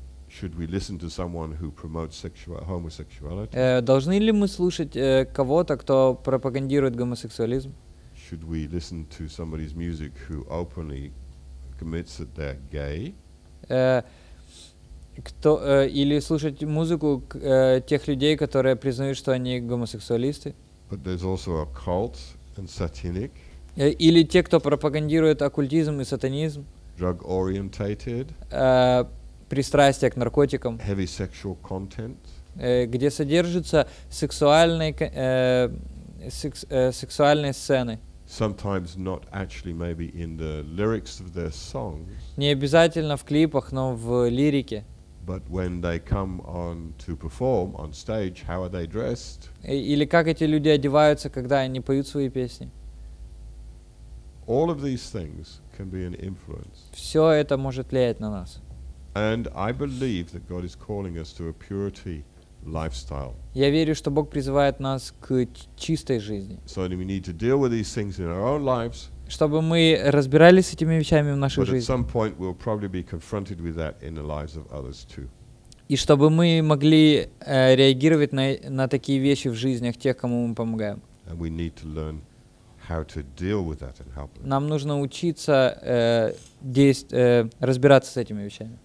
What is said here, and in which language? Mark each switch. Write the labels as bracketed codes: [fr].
[en] Should we listen to someone who promotes homosexuality? [ru] Должны ли мы слушать кого-то, кто пропагандирует гомосексуализм? [en] Should we listen to somebody's music who openly commits that they're gay? [ru] Или слушать музыку тех людей, которые признают, что они гомосексуалисты? [en] But there's also a cult and satanic. [ru] Или те, кто пропагандирует оккультизм и сатанизм. [en] Drug orientated. [ru] Пристрастие к наркотикам. [en] Heavy sexual content. [ru] Где содержатся сексуальные сцены. [en] Sometimes not actually maybe in the lyrics of their songs. [ru] Не обязательно в клипах, но в лирике. [en] But when they come on to perform on stage, how are they dressed? [ru] Или как эти люди одеваются, когда они поют свои песни? [en] All of these things can be an influence. [ru] Все это может влиять на нас. [en] And I believe that God is calling us to a purity lifestyle. [ru] Я верю, что Бог призывает нас к чистой жизни. [en] So we need to deal with these things in our own lives. [ru] Чтобы мы разбирались с этими вещами в нашей жизни. [en] But at some point we'll probably be confronted with that in the lives of others too. [ru] И чтобы мы могли реагировать на такие вещи в жизнях тех, кому мы помогаем. [en] And we need to learn how to deal with that and help them. [ru] Нам нужно учиться разбираться с этими вещами.